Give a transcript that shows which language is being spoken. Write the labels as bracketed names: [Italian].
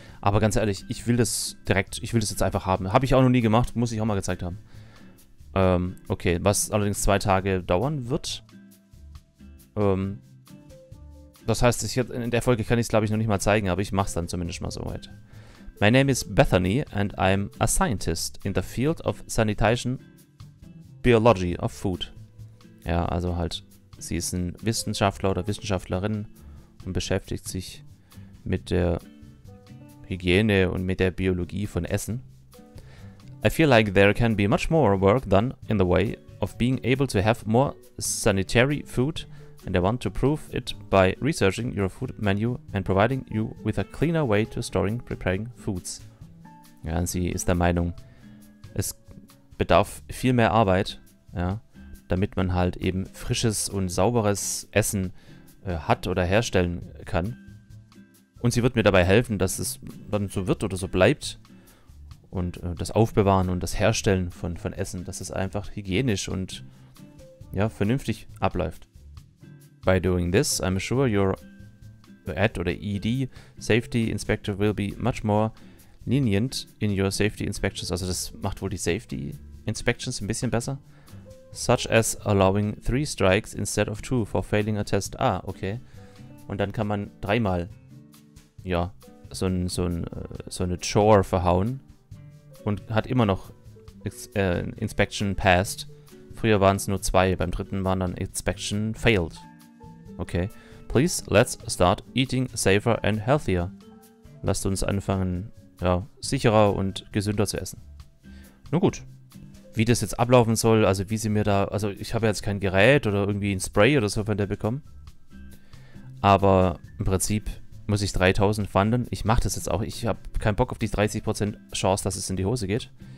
[German] Aber ganz ehrlich, ich will das jetzt einfach haben. Habe ich auch noch nie gemacht, muss ich auch mal gezeigt haben. Okay, was allerdings 2 Tage dauern wird. Das heißt, in der Folge kann ich es, glaube ich, noch nicht mal zeigen, aber ich mache es dann zumindest mal soweit. [English] My name is Bethany and I'm a scientist in the field of sanitation biology of food. [German] Ja, also halt, sie ist ein Wissenschaftler oder Wissenschaftlerin und beschäftigt sich mit der Hygiene und mit der Biologie von Essen. [English] I feel like there can be much more work done in the way of being able to have more sanitary food. And I want to prove it by researching your food menu and providing you with a cleaner way to storing, preparing foods. [German] Ja, und sie ist der Meinung, es bedarf viel mehr Arbeit, ja, damit man halt eben frisches und sauberes Essen hat oder herstellen kann. Und sie wird mir dabei helfen, dass es dann so wird oder so bleibt. Und das Aufbewahren und das Herstellen von Essen, dass es einfach hygienisch und ja, vernünftig abläuft. [English] By doing this, I'm sure your ad or ED safety inspector will be much more lenient in your safety inspections. [German] Also das macht wohl die safety inspections ein bisschen besser. [English] Such as allowing 3 strikes instead of 2 for failing a test. [German] Ah, okay. Und dann kann man 3-mal ja, so eine Chore verhauen und hat immer noch [English] Inspection passed. [German] Früher waren es nur 2, beim 3. waren dann [English] Inspection failed. Okay, please let's start eating safer and healthier. [German] Lasst uns anfangen, ja, sicherer und gesünder zu essen. Nun gut, wie das jetzt ablaufen soll, also wie sie mir da, also ich habe jetzt kein Gerät oder irgendwie ein Spray oder so von der bekommen. Aber im Prinzip muss ich 3000 fanden. Ich mache das jetzt auch, ich habe keinen Bock auf die 30% Chance, dass es in die Hose geht.